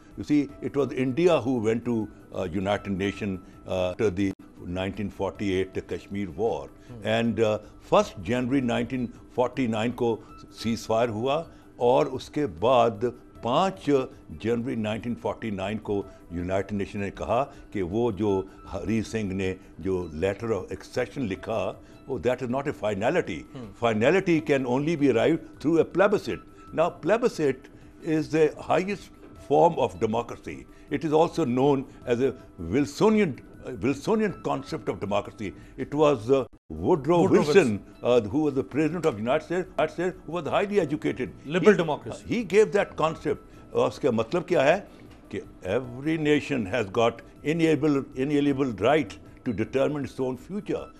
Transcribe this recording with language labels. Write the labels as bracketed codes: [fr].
[en] you see it was India who went to United Nation after the 1948 Kashmir war, [ur] and 1 جنوری 1949 کو cease fire ہوا, اور اس کے بعد 5 جنوری 1949 کو یونائٹڈ نیشن نے کہا کہ وہ جو ہری سنگھ نے جو لیٹر آف ایکسیشن لکھا وہ [en] That is not a finality. Finality can only be arrived through a plebiscite. Now plebiscite is the highest form of democracy. It is also known as a Wilsonian concept of democracy. It was Woodrow Wilson, who was the president of United States, who was highly educated. Liberal democracy. He gave that concept. [ur] Uska matlab kya hai? [en] Ke every nation has got inalienable right to determine its own future.